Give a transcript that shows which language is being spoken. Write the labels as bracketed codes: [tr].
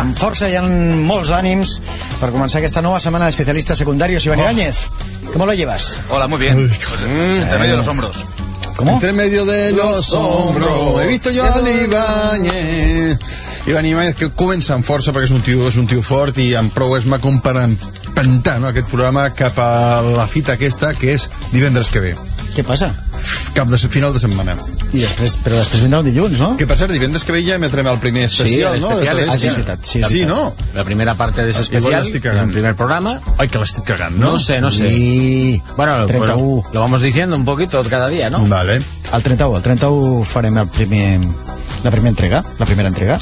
[ca] Amb força hi ha molts ànims per començar aquesta nova setmana d'especialistes secundaris. [es] Ivan Ibáñez, ¿cómo lo llevas? Hola, muy bien. Entre medio de los hombros. ¿Cómo? Entre medio de los hombros. He visto yo a Ibáñez. [ca] Ivan Ibáñez, que comença amb força perquè és un tio fort i amb prou esma com per empentar, no, aquest programa cap a la fita aquesta, que és divendres que ve. Què passa? Cap de final de setmana. I després, però després vindrà el dilluns, no? Que per cert, divendres que ve ja emetrem el primer especial, no? Sí, especial, no? Ah, sí, veritat, sí, sí, no? La primera part és especial, i el primer programa... Ai, que l'estic cagant, no? No sé, no sé. Sí. Bueno, 31. [es] Pues, lo vamos diciendo un poquito cada día, ¿no? Vale. [ca] El 31, el 31 farem el primer... La primera entrega, la primera entrega.